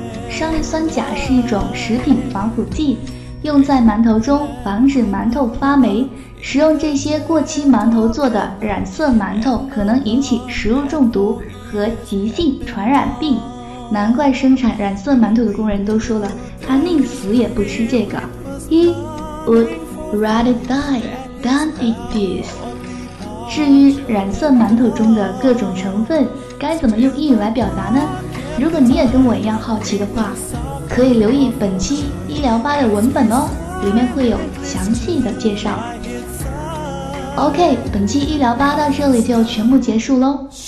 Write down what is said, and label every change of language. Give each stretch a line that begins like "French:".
Chinese: 山梨酸钾是一种食品防腐剂，用在馒头中防止馒头发霉。食用这些过期馒头做的染色馒头可能引起食物中毒和急性传染病，难怪生产染色馒头的工人都说了，他宁死也不吃这个。
English: He would rather die than eat this.
Chinese: 至于染色馒头中的各种成分该怎么用英语来表达呢？如果你也跟我一样好奇的话，可以留意本期医疗吧的文本哦，里面会有详细的介绍。 OK， 本期医疗吧到这里就全部结束咯。